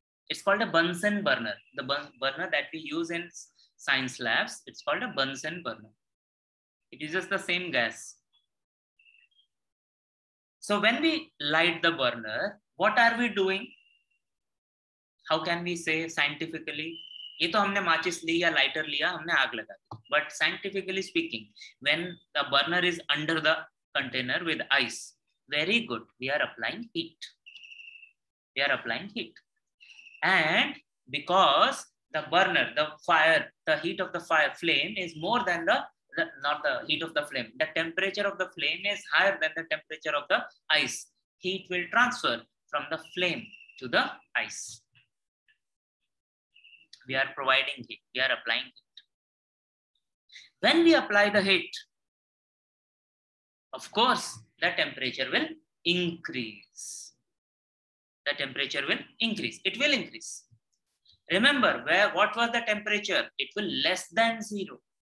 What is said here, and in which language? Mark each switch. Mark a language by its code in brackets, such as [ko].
[en] It's called a Bunsen burner. The burner that we use in science labs, it's called a Bunsen burner. It is just the same gas. So when we light the burner, what are we doing? How can we say scientifically? [hi] ये तो हमने माचिस ली या lighter लिया हमने आग लगा दी [en] But scientifically speaking when the burner is under the container with ice very good we are applying heat and because the burner the fire the heat of the fire flame is more than the not the heat of the flame the temperature of the flame is higher than the temperature of the ice heat will transfer from the flame to the ice We are providing heat. We are applying heat. When we apply the heat, of course, the temperature will increase. The temperature will increase. It will increase. Remember, where what was the temperature? It will less than zero.